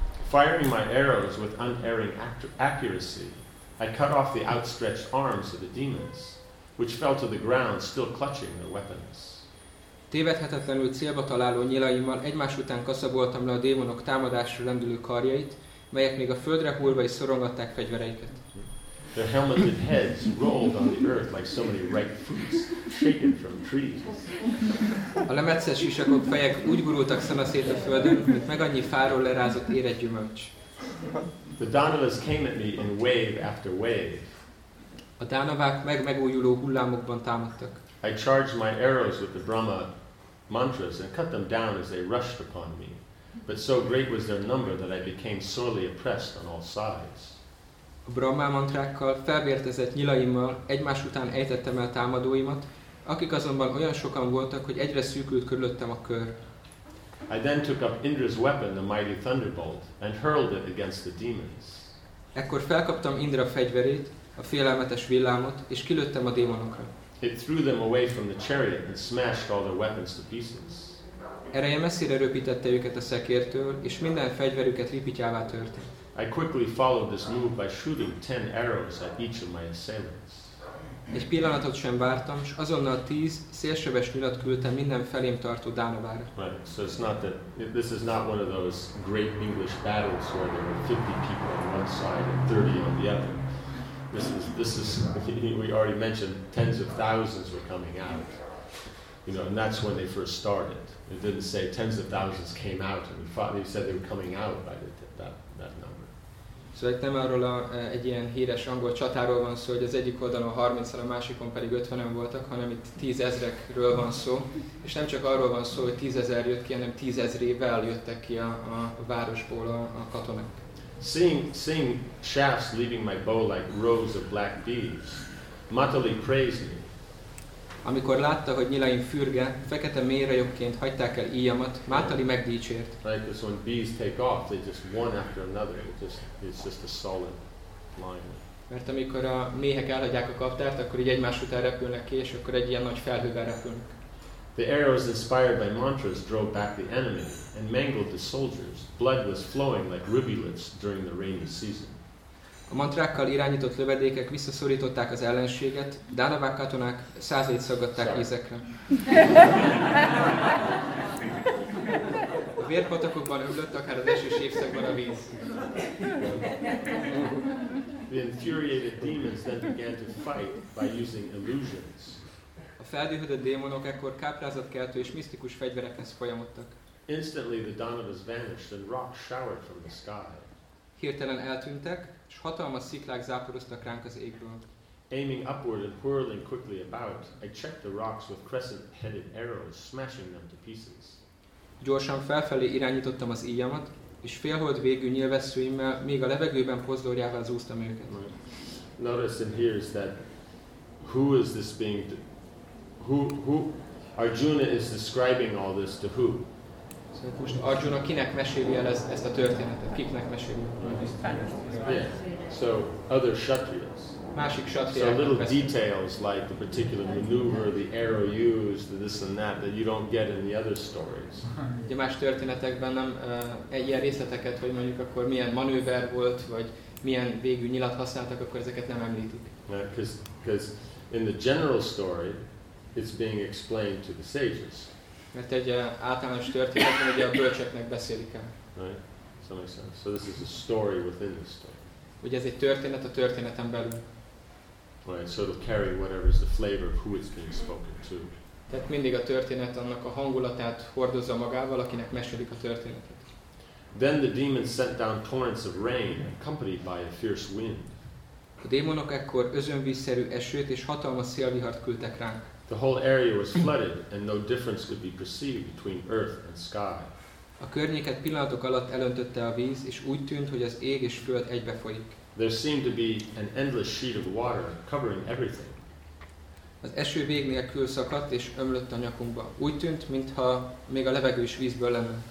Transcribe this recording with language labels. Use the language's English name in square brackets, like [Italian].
[English] Firing my arrows with unerring accuracy, I cut off the outstretched arms of the demons, which fell to the ground, still clutching their weapons. [Hungarian] Tévedhetetlenül célba találó nyilaimmal egymás után kaszaboltam le a démonok támadásra lendülő karjait, melyek még a földre hullva is szorongatták fegyvereiket. [English] Their helmeted heads rolled on the earth like so many ripe fruits shaken from trees. [Hungarian] A lemetszes isakok fejek úgy gurultak szanaszét a földön, mint meg annyi fáról lerázott érett gyümölcs. [English] The Danavas came at me in wave after wave. [Hungarian] A Danavák megújuló hullámokban támadtak. [English] I charged my arrows with the Brahma mantras and cut them down as they rushed upon me. But so great was their number that I became sorely oppressed on all sides. [Hungarian] A Brahma mantrákkal, felvértezett nyilaimmal egymás után ejtettem el támadóimat, akik azonban olyan sokan voltak, hogy egyre szűkült körülöttem a kör. [English] I then took up Indra's weapon, the mighty thunderbolt, and hurled it against the demons. [Hungarian] Ekkor felkaptam Indra fegyverét, a félelmetes villámot, és kilőttem a démonokra. [English] It threw them away from the chariot and smashed all their weapons to pieces. [Hungarian] Ereje messzire röpítette őket a szekértől, és minden fegyverüket ripityává tört. [English] I quickly followed this move by shooting 10 arrows at each of my assailants. [Hungarian] Egy pillanatot sem vártam, és azonnal 10 szélsebes nyulat küldtem minden felém tartó dánovára. [English] So it's not that this is not one of those great English battles where there were 50 people on one side and 30 on the other. This is we already mentioned tens of thousands were coming out. You know, and that's when they first started. It didn't say tens of thousands came out and they said they were coming out by that number. [Hungarian] So itt nem arról egy ilyen híres angol csatáról van szó, hogy az egyik oldalon 30-an, a másikon pedig 50-en voltak, hanem itt 10,000-ekről van szó. És nem csak arról van szó, hogy 10,000 jött ki, hanem 10,000-ével jöttek ki a városból a katonák. [English] Seeing shafts leaving my bow like rows of black bees, Matali praised me. [Hungarian] Amikor látta, hogy nyilaim fürge, fekete mérrajokként hagyták el íjamat, Matali megdícsért. [English] Right, because when bees take off, they just one after another. It's just a solid line. [Hungarian] Mert amikor a méhek elhagyják a kaptárt, akkor így egymás után repülnek ki, és akkor egy ilyen nagy felhővel repülnek. [English] The arrows inspired by mantras drove back the enemy and mangled the soldiers. Blood was flowing like rivulets during the rainy season. [Hungarian] A mantrákkal irányított lövedékek visszaszorították az ellenséget, dánavák katonák százait szaggatták ízekre. A vérpatakokban ömlött akár az esős évszakban a víz. [English] The infuriated demons then began to fight by using illusions. [Hungarian] A feldühödött démonok ekkor káprázatkeltő és misztikus fegyverekhez folyamodtak. [English] Instantly the dánavas vanished and rock showered from the sky. [Hungarian] Hirtelen eltűntek, és hatalmas sziklák záporoztak ránk az égből. [English] Aiming upward and whirling quickly about, I checked the rocks with crescent-headed arrows, smashing them to pieces. [Hungarian] Gyorsan felfelé irányítottam az íjamat, és félhold végű nyilvesszőimmel még a levegőben pozdorjával zúztam őket. [English] Notice in here is that who is this being? Who Arjuna is describing all this to who? [Hungarian] Most Arjuna kinek meséli el ezt a történetet? Kiknek meséli? [English] Yeah. So other kshatriyas. [Hungarian] Másik kshatriyák. [English] So little details like the particular maneuver, the arrow used, this and that you don't get in the other stories. [Hungarian] Ugye más történetekben nem ilyen részleteket, hogy mondjuk akkor milyen manőver volt, vagy milyen végű nyilat használtak, akkor ezeket nem említik. [English] Because in the general story, it's being explained to the sages. [Hungarian] Mert egy általános történet, ugye a bölcseknek beszélik el. [English] Right? So makes sense. So this is a story within the story. [Hungarian] Ugye ez egy történet a történeten belül. [English] Right, so it'll carry whatever is the flavor of who it's being spoken to. [Hungarian] Tehát mindig a történet annak a hangulatát hordozza magával, akinek mesélik a történetet. [English] Then the demons sent down torrents of rain, accompanied by a fierce wind. [Hungarian] A démonok ekkor özönvízszerű esőt és hatalmas szélvihart küldtek ránk. [English] The whole area was flooded, and no difference could be perceived between earth and sky. [Hungarian] A környéket pillanatok alatt elöntötte a víz, és úgy tűnt, hogy az ég és föld egybe folyik. [English] There seemed to be an endless sheet of water covering everything. [Hungarian] Az eső vég nélkül szakadt és ömlött a nyakunkba. Úgy tűnt, mintha még a levegő is vízből lenne.